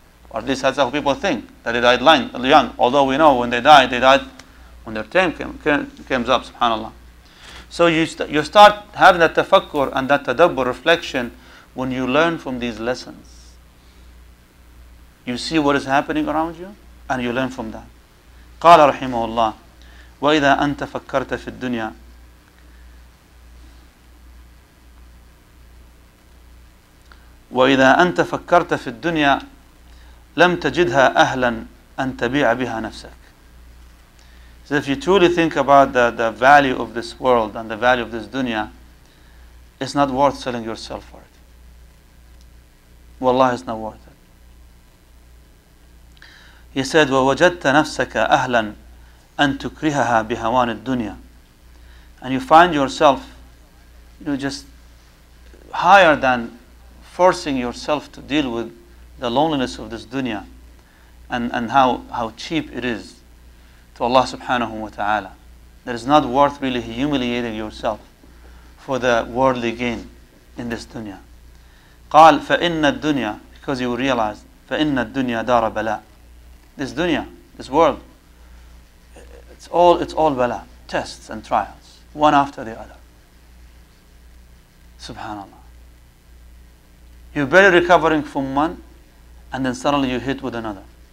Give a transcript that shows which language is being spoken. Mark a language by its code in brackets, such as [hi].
[en] Or at least that's how people think, that they died young. Although we know when they died when their time came up, subhanAllah. So you start having that tafakkur and that tadabbur reflection when you learn from these lessons. You see what is happening around you and you learn from that. [ar] قال رحمه الله وإذا أنت فكرت في الدنيا وإذا أنت فكرت في الدنيا لم تجدها أهلا أن تبيع بها نفسك. [en] So if you truly think about the value of this world and the value of this dunya, it's not worth selling yourself for it. Wallah, it's not worth it. He said, [ar] وَوَجَدْتَ نَفْسَكَ أَهْلًا أَن تُكْرِهَهَا بِهَوَانِ الدُّنْيَا. [en] And you find yourself, you know, just higher than forcing yourself to deal with the loneliness of this dunya and how cheap it is to Allah subhanahu wa ta'ala. That is not worth really humiliating yourself for the worldly gain in this dunya. [ar] قال, فَإِنَّ الدُّنْيَا, [en] because you realize, [ar] فَإِنَّ الدُّنْيَا دَارَ بَلَا. [en] This dunya, this world, it's all bala, tests and trials, one after the other. SubhanAllah. You're barely recovering from one, and then suddenly you hit with another.